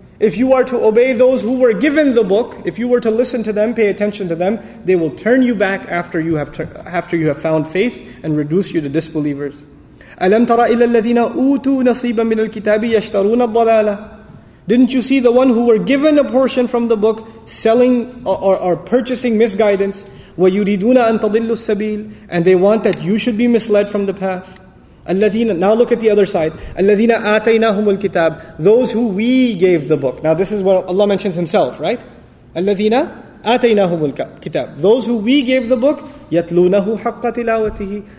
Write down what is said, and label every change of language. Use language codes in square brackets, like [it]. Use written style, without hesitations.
[en] If you are to obey those who were given the book, if you were to listen to them, pay attention to them, they will turn you back after you have found faith and reduce you to disbelievers. [ar] أَلَمْ تَرَ إِلَّا الَّذِينَ أُوتُوا نَصِيبًا مِّنَ الْكِتَابِ يَشْتَرُونَ الضَّلَالَةَ. [en] Didn't you see the one who were given a portion from the book, selling or purchasing misguidance? [ar] وَيُرِيدُونَ أَن تَضِلُّوا السَّبِيلِ. [en] And they want that you should be misled from the path. [ar] الَّذِينَ, [en] now look at the other side. [ar] الَّذِينَ آتَيْنَاهُمُ الْكِتَابِ. [en] Those who we gave the book. Now this is what Allah mentions Himself, right? [ar] الَّذِينَ آتَيْنَاهُمُ الْكِتَابِ. [en] Those who we gave the book, [ar] يَتْلُونَهُ حَقَّ تِلَاوَتِهِ.